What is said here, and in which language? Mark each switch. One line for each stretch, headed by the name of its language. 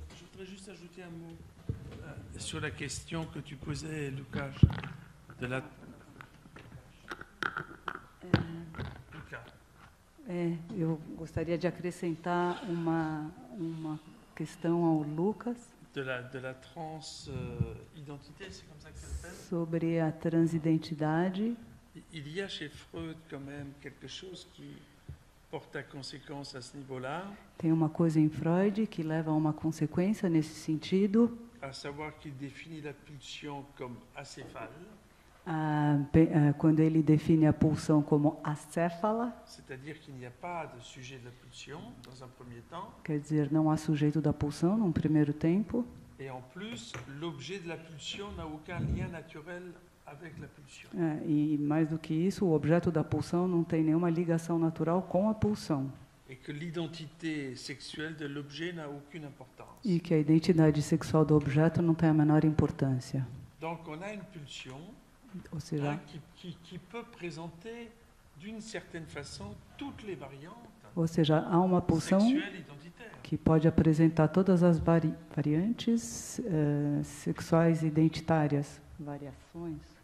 French: voudrais juste ajouter un mot sur la question que tu posais, Lucas, de la...
Portuguese: Eu gostaria de acrescentar uma questão ao Lucas.
French: De la trans identité, c'est comme ça que ça s'appelle?
Portuguese: Sobre a transidentidade.
French: Il y a chez Freud quand même quelque chose qui porte à conséquence à ce niveau-là.
Portuguese: Tem uma coisa em Freud que leva a uma consequência nesse sentido.
French: À savoir qu'il définit la pulsion comme acéphale.
Portuguese: Quando ele define a pulsão como acéfala,
French: c'est-à-dire qu'il n'y a pas de sujet de la pulsion dans un premier temps.
Portuguese: Quer dizer, não há sujeito da pulsão num primeiro tempo.
French: Et en plus, l'objet de la pulsion n'a aucun lien naturel avec la pulsion.
Portuguese: E mais do que isso, o objeto da pulsão não tem nenhuma ligação natural com a pulsão.
French: Et que l'identité sexuelle de l'objet n'a aucune importance.
Portuguese: E que a identidade sexual do objeto não tem a menor importância.
French: Donc on a une pulsion.
Portuguese: Ou seja,
French: qui peut présenter d'une certaine façon toutes les variantes.
Portuguese: Ou seja, há uma pulsão que pode apresentar todas as variantes sexuais identitárias, variações.